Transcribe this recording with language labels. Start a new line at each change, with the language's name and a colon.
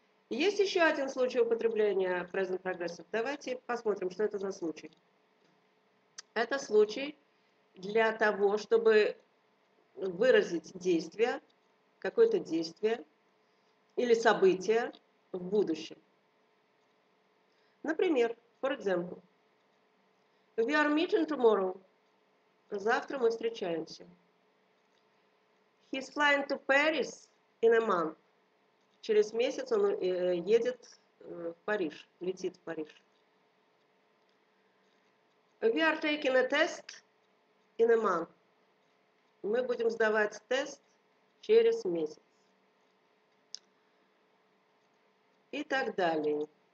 Russian: Есть еще один случай употребления present progressive. Давайте посмотрим, что это за случай. Это случай для того, чтобы выразить действие, какое-то действие или событие в будущем. Например,
English: for example, we are meeting tomorrow.
Russian: Завтра мы встречаемся.
English: He's flying to Paris in a month.
Russian: Через месяц он едет в Париж, летит в Париж.
English: We are taking a test in a month.
Russian: Мы будем сдавать тест через месяц. И так далее.